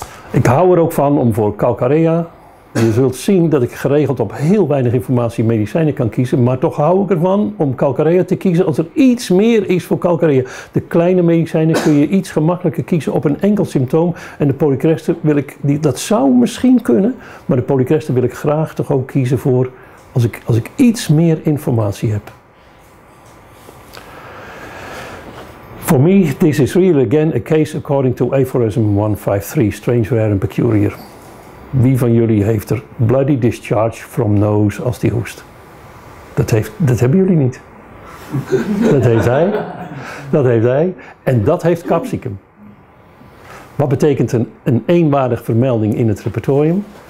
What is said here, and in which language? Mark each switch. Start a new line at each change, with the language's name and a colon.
Dutch: Ik hou er ook van om voor calcarea... Je zult zien dat ik geregeld op heel weinig informatie medicijnen kan kiezen, maar toch hou ik ervan om calcarea te kiezen als er iets meer is voor calcarea. De kleine medicijnen kun je iets gemakkelijker kiezen op een enkel symptoom en de polycresten wil ik, dat zou misschien kunnen, maar de polycresten wil ik graag toch ook kiezen voor als ik iets meer informatie heb.
English: For me, this is really again a case according to aphorism 153, strange, rare and peculiar.
Dutch: Wie van jullie heeft er
English: bloody discharge from nose
Dutch: als die hoest? Dat hebben jullie niet. Dat heeft hij. Dat heeft hij. En dat heeft capsicum. Wat betekent een eenwaardig vermelding in het repertorium?